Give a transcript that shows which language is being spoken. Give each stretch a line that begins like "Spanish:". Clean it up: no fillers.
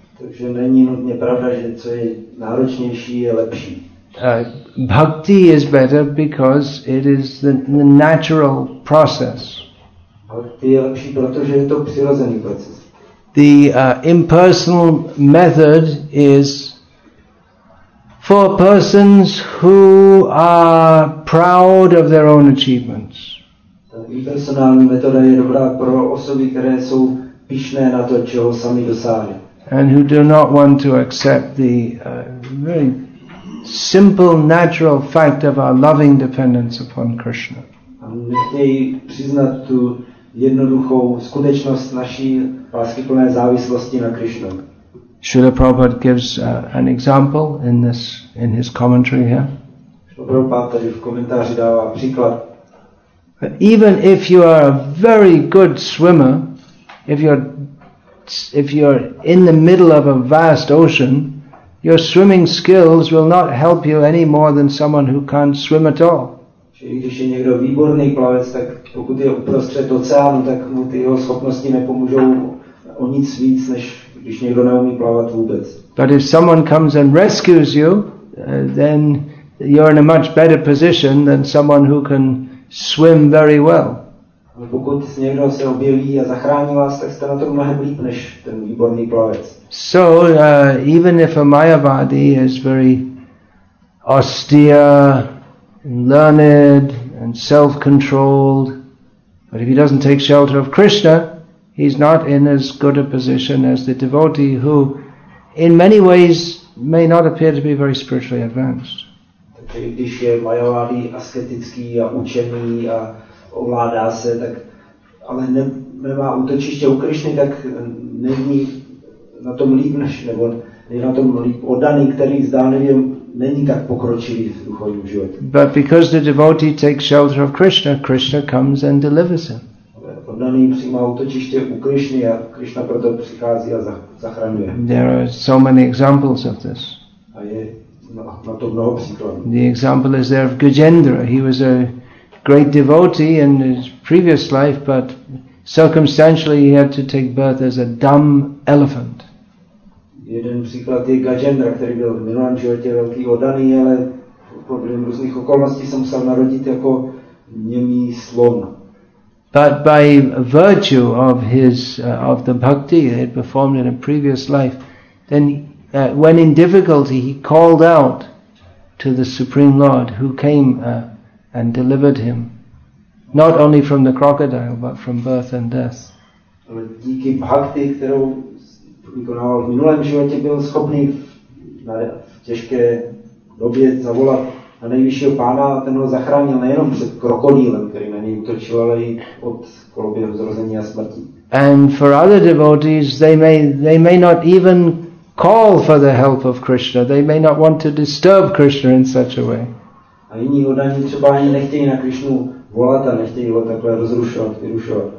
Czech: Takže není nutně pravda, že co je náročnější, je lepší.
English: Bhakti is better because it is the natural process.
Czech: Bhakti je lepší, protože je to přirozený proces.
English: The impersonal method is for persons who are proud of their own achievements.
Czech: Ta impersonální metoda je dobrá pro osoby, které jsou pyšné na to, čeho sami dosáhli.
English: And who do not want to accept the very simple natural fact of our loving dependence upon Krishna.
Czech: A nechtějí přiznat tu jednoduchou skutečnost naší láskyplné závislosti na Krishna.
English: Srila Prabhupada gives an example in this, in his commentary here. But even if you are a very good swimmer, if you're in the middle of a vast ocean, your swimming skills will not help you any more than someone who can't swim at all.
Czech: Když je někdo výborný plavec, tak pokud je uprostřed oceánu, tak mu ty jeho schopnosti nepomůžou o nic víc než když někdo neumí plavat vůbec.
English: But if someone comes and rescues you, then you're in a much better position than someone who can swim very well.
Czech: Pokud někdo se objeví a zachrání vás, tak jste na tom mnohem líp než ten výborný plavec.
English: So even if a Mayavadi is very austere, learned and self-controlled, but if he doesn't take shelter of Krishna, he's not in as good a position as the devotee who, in many ways, may not appear to be very spiritually advanced.
Czech: Takže když je Mayavadi asketický a učený a ovládá se, tak ale nemá útočiště u Krišny, tak není na tom líp než, nebo není na tom líp oddaný, který zdánlivě není tak pokročilý v duchovním životě.
English: But because the devotee takes shelter of Krishna, Krishna comes and delivers him.
Czech: Oddaný přijímá útočiště u Krišny a Krišna proto přichází a zachraňuje.
English: There are so many examples of this.
Czech: A je na to mnoho příkladů.
English: The example is there of Gajendra. He was a great devotee in his previous life, but circumstantially he had to take birth as a dumb elephant.
Czech: Jeden příklad je Gajendra, který byl v minulém životě velký oddaný, ale podle různých okolností se musel narodit jako němý slon.
English: But by virtue of his of the bhakti he had performed in a previous life, then when in difficulty he called out to the Supreme Lord, who came and delivered him, not only from the crocodile but from birth and death.
Czech: Ale díky bhakti, kterou vykonával v minulém životě, byl schopný v těžké době zavolat a nejvyššího pána, ten ho zachránil nejenom před krokodýlem, který na něj útočil, ale i od koloběhu zrození a smrti.
English: And for other devotees, they may not even call for the help of Krishna. They may not want to disturb Krishna in such a way.
Czech: A jiní oddaní třeba ani nechtějí na Krishnu volat a nechtějí ho takhle rozrušovat, vyrušovat.